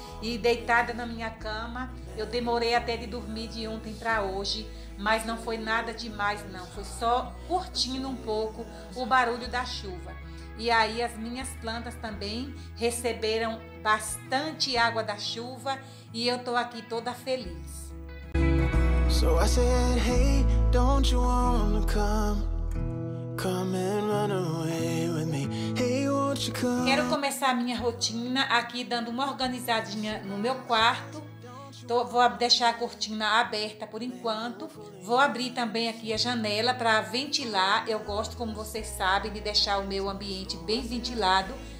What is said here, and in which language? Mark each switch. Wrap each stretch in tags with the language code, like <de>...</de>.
<pt>E deitada na minha cama, eu demorei até de dormir de ontem para hoje, mas não foi nada demais não, foi só curtindo um pouco o barulho da chuva. E aí as minhas plantas também receberam bastante água da chuva e eu tô aqui toda feliz.</pt> <en>So I said, hey, don't you wanna come? Come and run away with me. Hey, won't you come?</en> <pt>Quero começar a minha rotina aqui dando uma organizadinha no meu quarto. Vou deixar a cortina aberta por enquanto. Vou abrir também aqui a janela para ventilar. Eu gosto, como vocês sabem, de deixar o meu ambiente bem ventilado.</pt>